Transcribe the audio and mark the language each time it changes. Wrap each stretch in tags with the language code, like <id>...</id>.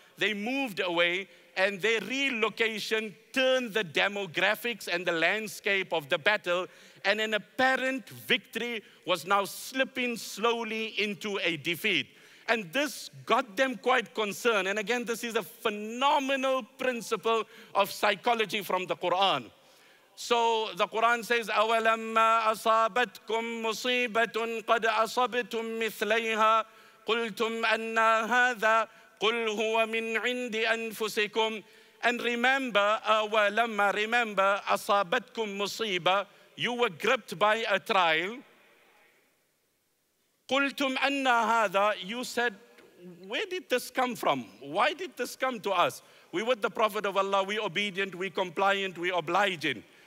<en>They moved away and their relocation turned the demographics and the landscape of the battle, and an apparent victory was now slipping slowly into a defeat. And this got them quite concerned. And again, this is a phenomenal principle of psychology from the Quran. So the Quran says,</en> <ar>أَوَلَمَّا أَصَابَتْكُم مُصِيبَةٌ قَدْ أَصَبْتُم مِثْلَيْهَا قُلْتُمْ أَنَّا هَذَا قُلْ هُوَ مِنْ عِنْدِ أَنفُسِكُمْ.</ar> <en>And remember, أَوَلَمَّا, remember,</en> <ar>أَصَابَتْكُم مُصِيبَةٌ,</ar> <en>you were gripped by a trial.</en> <ar>قُلْتُمْ أَنَّا هَذَا,</ar> <en>you said, where did this come from? Why did this come to us? We were the Prophet of Allah, we obedient, we compliant, we obliging.</en>